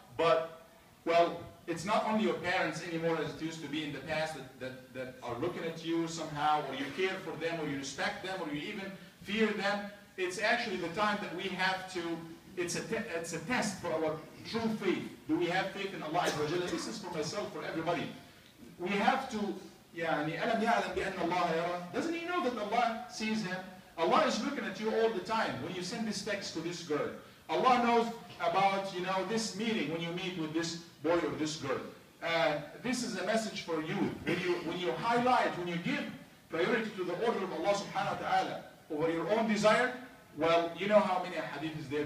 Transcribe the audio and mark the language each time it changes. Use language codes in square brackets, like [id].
[en] But, well, it's not only your parents anymore as it used to be in the past that are looking at you somehow, or you care for them, or you respect them, or you even fear them. It's actually the time that we have to, it's a test for our true faith. Do we have faith in Allah? This is for myself, for everybody. We have to, [ar] يعني, أَلَمْ يَعْلَمْ بِأَنَّ اللَّهَ يَرَى. [en] Doesn't he know that Allah sees him? Allah is looking at you all the time when you send this text to this girl. Allah knows about, you know, this meeting when you meet with this boy or this girl. This is a message for you. When you highlight, when you give priority to the order of Allah subhanahu wa ta'ala over your own desire, well, you know how many hadith is there.